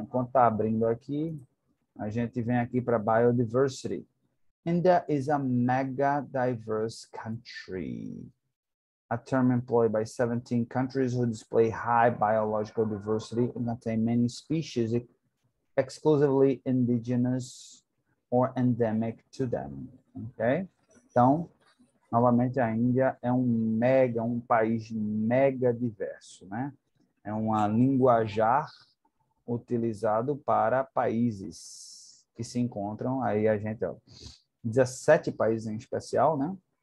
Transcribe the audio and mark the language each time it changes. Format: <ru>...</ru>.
<pt>Enquanto está abrindo aqui, a gente vem aqui para biodiversity.</pt> <en>India is a mega diverse country. A term employed by 17 countries who display high biological diversity and contain many species exclusively indigenous or endemic to them. Okay?</en> <pt>Então, novamente, a Índia é um país mega diverso, né? É um linguajar utilizado para países que se encontram aí, a gente, ó, 17 países em especial, né?</pt>